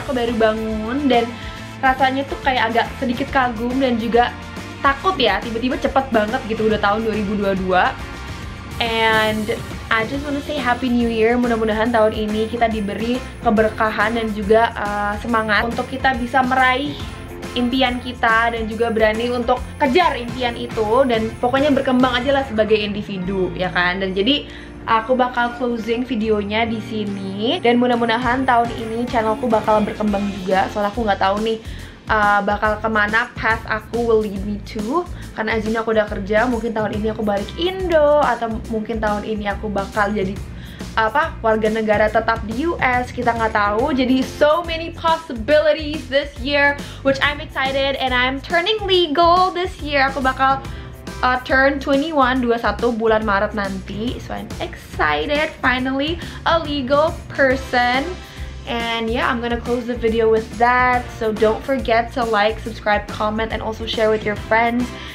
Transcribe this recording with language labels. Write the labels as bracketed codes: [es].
[id] Aku baru bangun dan rasanya tuh kayak agak sedikit kagum dan juga takut ya, tiba-tiba cepet banget gitu udah tahun 2022. [en] And I just wanna say happy new year. [id] Mudah-mudahan tahun ini kita diberi keberkahan dan juga semangat untuk kita bisa meraih impian kita dan juga berani untuk kejar impian itu. Dan pokoknya berkembang aja lah sebagai individu, ya kan? Dan jadi aku bakal closing videonya di sini dan mudah-mudahan tahun ini channelku bakal berkembang juga. Soalnya aku nggak tahu nih bakal kemana path aku will lead me to. Karena as you know aku udah kerja, mungkin tahun ini aku balik Indo atau mungkin tahun ini aku bakal jadi apa warga negara tetap di US. Kita nggak tahu. [en] Jadi so many possibilities this year, which I'm excited and I'm turning legal this year. Aku bakal turn 21 bulan Maret nanti, so I'm excited, finally a legal person. And yeah, I'm gonna close the video with that, so don't forget to like, subscribe, comment, and also share with your friends.